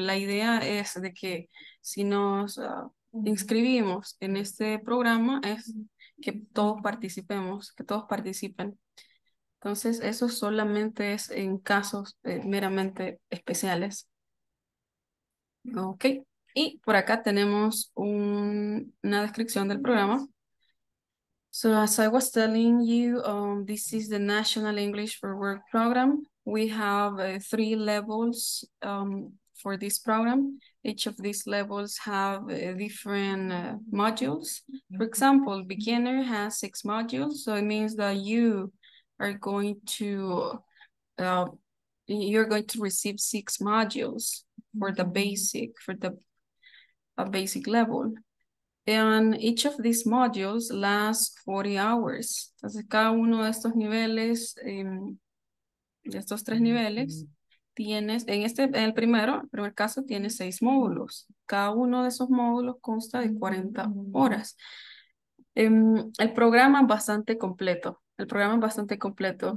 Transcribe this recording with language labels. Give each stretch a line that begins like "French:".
Spanish: La idea es de que si nos inscribimos en este programa es que todos participemos, que todos participen. Entonces, eso solamente es en casos meramente especiales. Ok, y por acá tenemos una descripción del programa.
English: So, as I was telling you, this is the National English for Work Program. We have three levels for this program. Each of these levels have different modules. For example, beginner has six modules, so it means that you are going to you're going to receive six modules for the basic basic level. And each of these modules lasts 40 hours.
Spanish: Entonces, cada uno de estos niveles, de estos tres niveles, en el primer caso, tiene seis módulos. Cada uno de esos módulos consta de 40 horas. El programa es bastante completo. El programa es bastante completo.